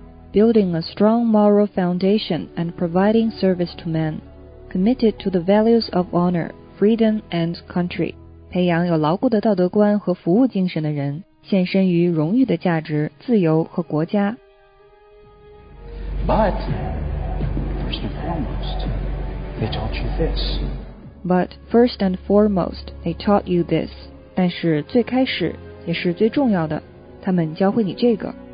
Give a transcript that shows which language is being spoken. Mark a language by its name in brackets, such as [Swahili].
[English] Building a strong moral foundation and providing service to men, committed to the values of honor, freedom, and country. [Chinese] 培养有牢固的道德观和服务精神的人，献身于荣誉的价值、自由和国家。 [English] But, first and foremost, they taught you this. But, first and foremost, they taught you this. [Chinese] 但是最开始也是最重要的，他们教会你这个。